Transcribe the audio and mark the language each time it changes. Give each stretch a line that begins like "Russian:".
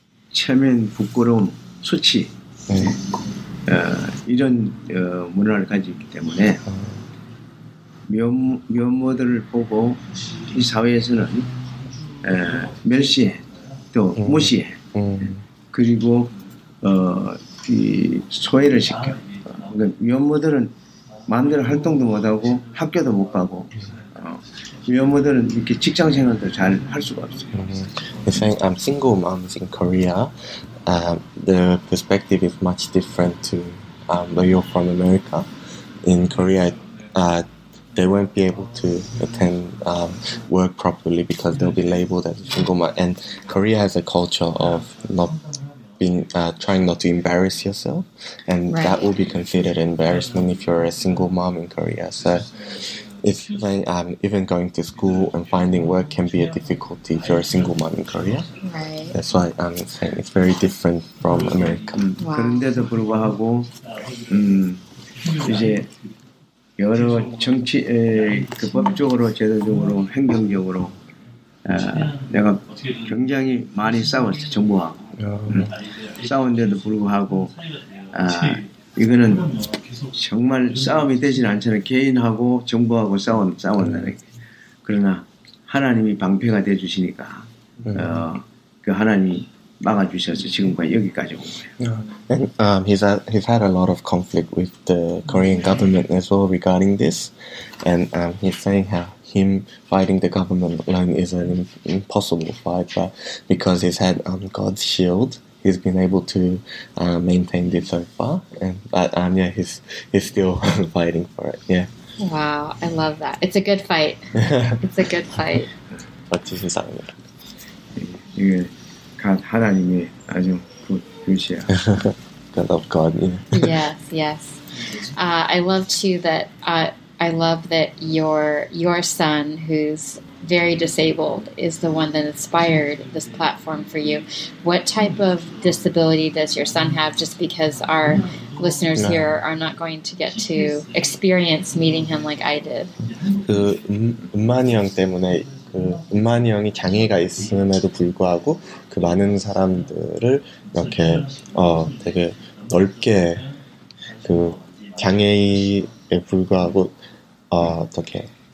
Korean: 체면 부끄러움 수치 이런 문화를 가지고 있기 때문에 미혼모들을 보고 이 사회에서는 멸시해 또 무시해 그리고 이 소외를 시켜 그러니까 미혼모들은 마음대로 활동도 못하고 학교도 못 가고 미혼모들은 이렇게 직장 생활도 잘 할 수가 없어요.
English: I'm single moms in Korea. The perspective is much different to where you're from, America. In Korea, they won't be able to attend work properly because they'll be labeled as a single mom. And Korea has a culture of not being trying not to embarrass yourself, and right. that will be considered embarrassment if you're a single mom in Korea. So if they, even going to school and finding work can be a difficulty if you're a single mom in Korea. Right. That's why I'm saying it's very different from America. Wow.
Korean: 그런데도 불구하고 이제 여러 정치 그 법적으로 제도적으로 행정적으로 내가 굉장히 많이 싸웠어 정부하고 싸운데도 불구하고 이거는 정말 싸움이 되진 않잖아요 개인하고 정부하고 싸웠는데 그러나 하나님이 방패가 되어주시니까 그 하나님이 막아주셔서 지금까지 여기까지 온 거예요.
English: He's had a lot of conflict with the Korean government as well regarding this, and he's saying how him fighting the government alone is an impossible fight, but because he's had God's shield, he's been able to maintain this so far. And but yeah, he's still fighting for it. Yeah. Wow, I love that. It's a good fight. It's a good fight.
Korean: 멋지십니다. 이게 간 하나님이 아주 굳이야.
English: God of God. Yeah. Yes. Yes. I love too that. I love that your son, who's very disabled, is the one that inspired this platform for you. What type of disability does your son have? Just because our listeners here are not going to get to experience meeting him like I did.
Korean: 그 은만이 형 때문에 그 은만이 형이 장애가 있음에도 불구하고 그 많은 사람들을 이렇게 되게 넓게 그 장애에 불구하고 어떻게